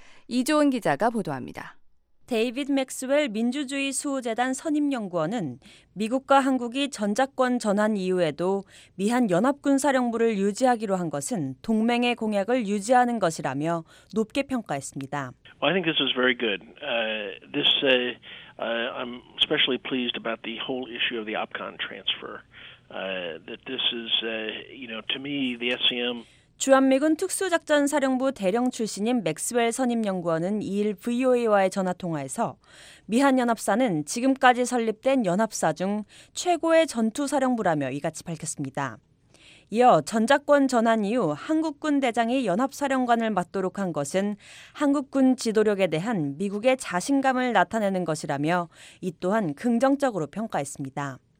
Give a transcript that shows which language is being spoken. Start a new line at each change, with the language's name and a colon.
Korean: 이조은 기자가 보도합니다. 데이빗 맥스웰 민주주의 수호재단 선임연구원은 미국과 한국이 전작권 전환 이후에도 미한연합군사령부를 유지하기로 한 것은 동맹의 공약을 유지하는 것이라며 높게 평가했습니다.
English: Well, I think this is very good. I'm especially pleased about the whole issue of the OPCON transfer. That this is, you know, to me, the SCM.
Korean: 주한미군 특수작전사령부 대령 출신인 맥스웰 선임연구원은 2일 VOA와의 전화통화에서 미한연합사는 지금까지 설립된 연합사 중 최고의 전투사령부라며 이같이 밝혔습니다. 이어 전작권 전환 이후 한국군 대장이 연합사령관을 맡도록 한 것은 한국군 지도력에 대한 미국의 자신감을 나타내는 것이라며 이 또한 긍정적으로 평가했습니다.